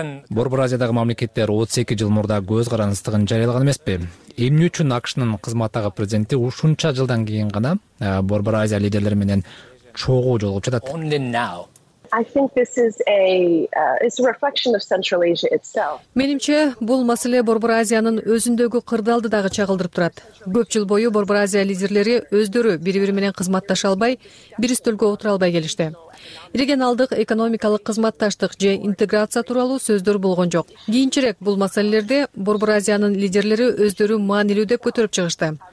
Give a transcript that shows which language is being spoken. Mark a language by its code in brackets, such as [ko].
[ky] Борбор Азиядагы мамлекеттер 32 жыл мурда көз карандыстыгын жарыялаган эмеспи? Эмне үчүн АКШнын кызматтагы президенти ушунча жылдан кийин гана Борбор Азия лидерлери менен чогуу жолугуп жатат? [en] I think this is a reflection of Central Asia itself. [ky] Менимче, бул маселе Борбор Азиянын өзүндөгү кырдаалды дагы чагылдырып турат. Көп жыл бою Борбор Азия лидерлери өздөрү бири-бири менен кызматташа албай, бир үстөлгө отура албай келишти. Регионалдык экономикалык кызматташтык же интеграция тууралуу сөздөр болгон жок. Кийинчерээк бул маселелерди Борбор Азиянын лидерлери өздөрү маанилүү деп көтөрүп чыгышты.